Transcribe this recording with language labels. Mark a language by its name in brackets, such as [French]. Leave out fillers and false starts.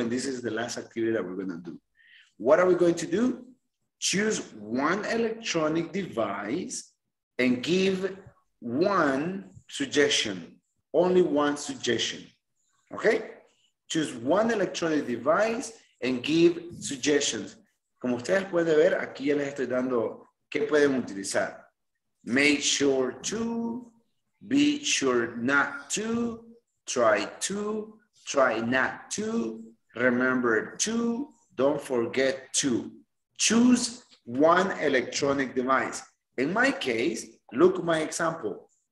[English] And this is the last activity that we're going to do. What are we going to do? Choose one electronic device and give one suggestion. Only one suggestion. Okay, choose one electronic device and give suggestions. [Spanish] Como ustedes pueden ver, aquí ya les estoy dando qué pueden utilizar. [English] Make sure to, be sure not to, try to, try not to, remember to, don't forget to. Choose one electronic device. In my case, look at my example.